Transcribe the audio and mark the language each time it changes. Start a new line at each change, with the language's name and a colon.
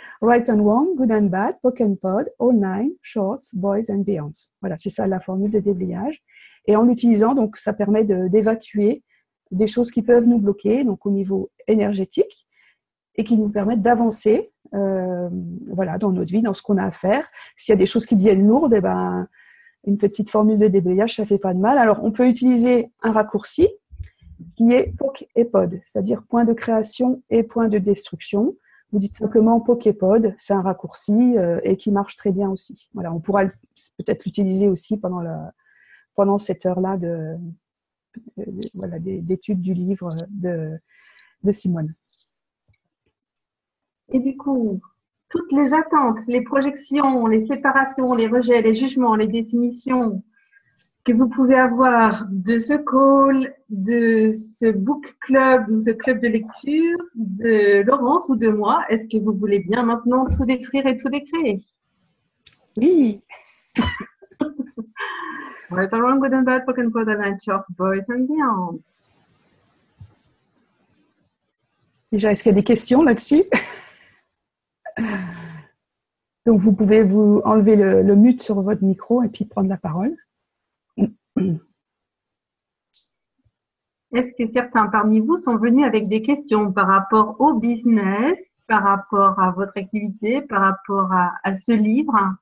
English: Right and wrong, good and bad, pock and pod, all nine, shorts, boys and beyonds.
French: Voilà, c'est ça la formule de déblayage. Et en l'utilisant, donc, ça permet d'évacuer des choses qui peuvent nous bloquer, donc au niveau énergétique, et qui nous permettent d'avancer dans notre vie, dans ce qu'on a à faire. S'il y a des choses qui deviennent lourdes, eh ben, une petite formule de déblayage, ça ne fait pas de mal. Alors, on peut utiliser un raccourci qui est POC et POD, c'est-à-dire point de création et point de destruction. Vous dites simplement POC et POD, c'est un raccourci et qui marche très bien aussi. Voilà, on pourra peut-être l'utiliser aussi pendant cette heure-là voilà, d'études du livre de Simone. Et du coup, toutes les attentes, les projections, les séparations, les rejets, les jugements, les définitions que vous pouvez avoir de ce call, de ce book club ou ce club de lecture, de Laurence ou de moi, est-ce que vous voulez bien maintenant tout détruire et tout décréer? Oui.
English: Right or wrong, good and bad, broken code and short, boys and beyond.
French: Déjà, est-ce qu'il y a des questions là-dessus? Donc, vous pouvez vous enlever le mute sur votre micro et puis prendre la parole. Est-ce que certains parmi vous sont venus avec des questions par rapport au business, par rapport à votre activité, par rapport à ce livre?